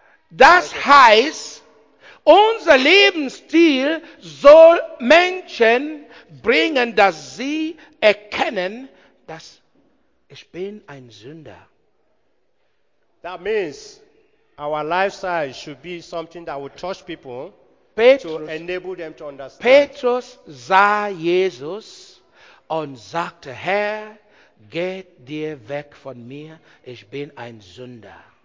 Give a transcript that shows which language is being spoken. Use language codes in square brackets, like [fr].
[de] Das heißt, unser Lebensstil soll Menschen bringen, dass sie erkennen, dass ich bin ein Sünder. [en] That means our lifestyle should be something that will touch people. [de] Petrus, [en] to enable them to understand. [de] Petrus sah Jesus und sagte, Herr, geh dir weg von mir, ich bin ein Sünder.